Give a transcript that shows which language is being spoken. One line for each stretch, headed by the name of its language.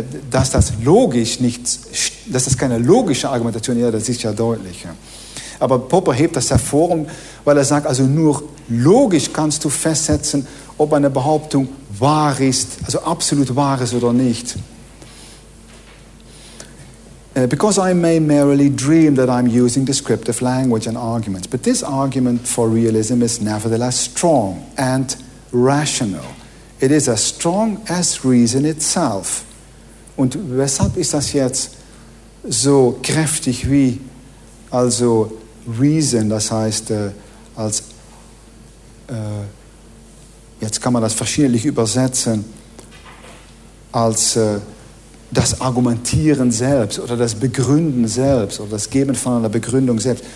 German: Dass das logisch nicht, dass das keine logische Argumentation ist, das ist ja deutlich. Aber Popper hebt das hervor, weil er sagt, also nur logisch kannst du festsetzen, ob eine Behauptung wahr ist, also absolut wahr ist oder nicht.
English: Because I may merely dream that I'm using descriptive language and arguments, but this argument for realism is nevertheless strong and rational. It is as strong as reason itself.
German: Und weshalb ist das jetzt so kräftig wie also Reason, das heißt als, jetzt kann man das verschiedentlich übersetzen, als das Argumentieren selbst oder das Begründen selbst oder das Geben von einer Begründung selbst.